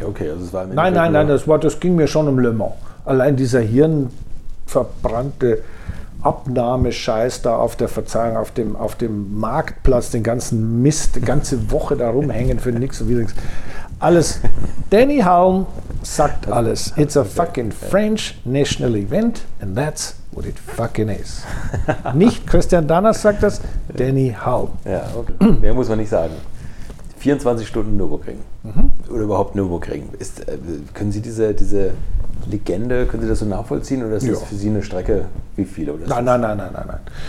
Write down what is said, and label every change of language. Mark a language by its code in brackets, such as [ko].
[de] Okay, also es war nein, nein, nein, nein, das ging mir schon um Le Mans. Allein dieser hirnverbrannte Abnahmescheiß da auf der Verzeihung, auf dem Marktplatz, den ganzen Mist, die ganze Woche da rumhängen für nichts und wieder nichts. Alles. Danny Hulme sagt alles. [en] It's a fucking French national event and that's what it fucking is. [de] Nicht Christian Danner sagt das, Danny Hulme. Ja, okay. Mehr muss man nicht sagen. 24 Stunden Nürburgring. Oder überhaupt Nürburgring. Können Sie diese Legende, können Sie das so nachvollziehen oder ist das für Sie eine Strecke wie viele? Oder nein, nein, nein, nein, nein, nein.